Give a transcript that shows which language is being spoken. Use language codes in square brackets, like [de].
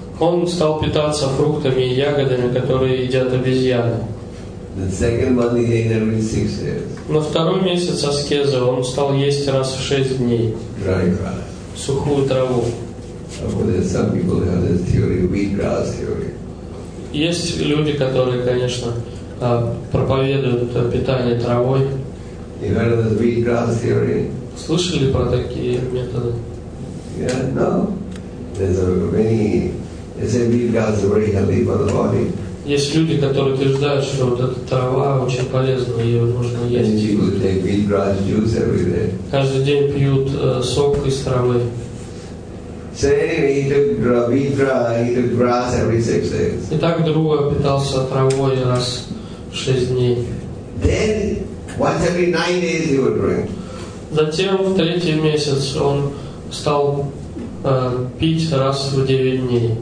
[ru] Он стал питаться фруктами и ягодами, которые едят обезьяны. [en] The second month he ate every 6 days. [ru] На второй месяц аскезы он стал есть раз в 6 дней. [en] Dry grass. [ru] Сухую траву. [en] Some people have this theory, wheat grass theory. [ru] Есть люди, которые, конечно, проповедуют питание травой. [en] You heard of this wheat grass theory? [ru] Слышали про такие методы? [en] Yeah, no. There's many. They say wheat grass is very healthy for the body. [ru] Есть люди, которые утверждают, что вот эта трава очень полезна, ее нужно есть. [en] And people take wheat grass juice every day. [ru] Каждый день пьют сок из травы. [en] Same, he took wheat grass, he took grass every 6 days. [ru] Итак, друг питался травой раз в 6 дней. [en] Then once every 9 days he would drink. [ru] Затем в 3-й месяц он стал пить раз в 9 дней.